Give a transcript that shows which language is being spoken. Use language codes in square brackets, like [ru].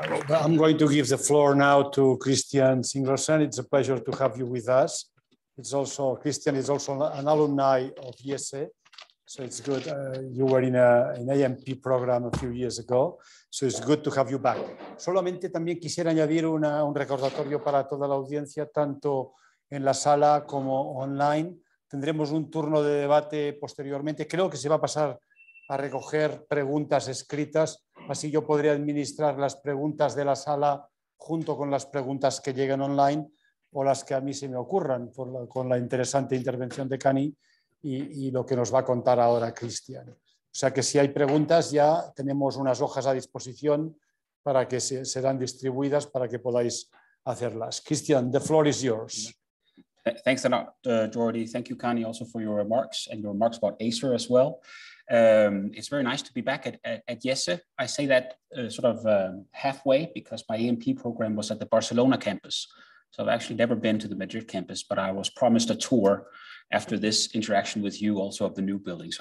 [en] I'm going to give the floor now to Christian Zinglersen. It's a pleasure to have you with us. It's also, Christian is also an alumni of IESE, so it's good. You were in an AMP program a few years ago, so it's good to have you back. [es] Solamente también quisiera añadir un recordatorio para toda la audiencia, tanto en la sala como online. Tendremos un turno de debate posteriormente. Creo que se va a pasar a recoger preguntas escritas, así yo podré administrar las preguntas de la sala junto con las preguntas que lleguen online o las que a mí se me ocurran con la interesante intervención de Cani y lo que nos va a contar ahora Cristian. O sea que si hay preguntas ya tenemos unas hojas a disposición para que serán distribuidas para que podáis hacerlas. [en] Cristian, the floor is yours. Thanks a lot, Jordi. Thank you, Cani, also for your remarks and your remarks about ACER as well. It's very nice to be back at IESE. I say that halfway because my AMP program was at the Barcelona campus. So I've actually never been to the Madrid campus, but I was promised a tour after this interaction with you also of the new building.